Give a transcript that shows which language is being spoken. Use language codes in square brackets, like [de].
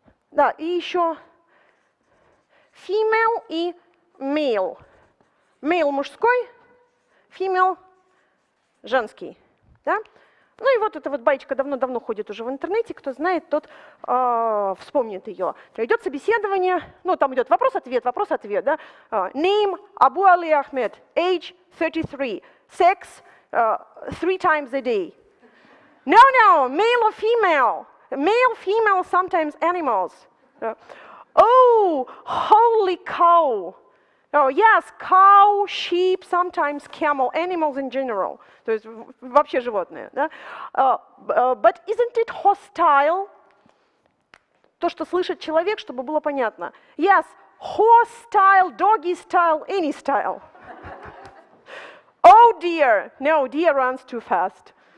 [ru] Да, и еще female и male. Male – мужской, female – женский. Да? Ну и вот эта вот баечка давно-давно ходит уже в интернете. Кто знает, тот вспомнит ее. Идет собеседование, ну там идет вопрос-ответ, вопрос-ответ. Да? [en] Name – Abu Ali Ahmed, age 33, sex – 3 times a day. No, male or female? Male, female, sometimes animals. Oh, holy cow. Oh, yes, cow, sheep, sometimes camel, animals in general. [ru] То есть вообще животные. Да? [en] But isn't it hostile? [ru] То, что слышит человек, чтобы было понятно. [en] Yes, horse style, doggy style, any style. Oh, deer. No, deer runs too fast.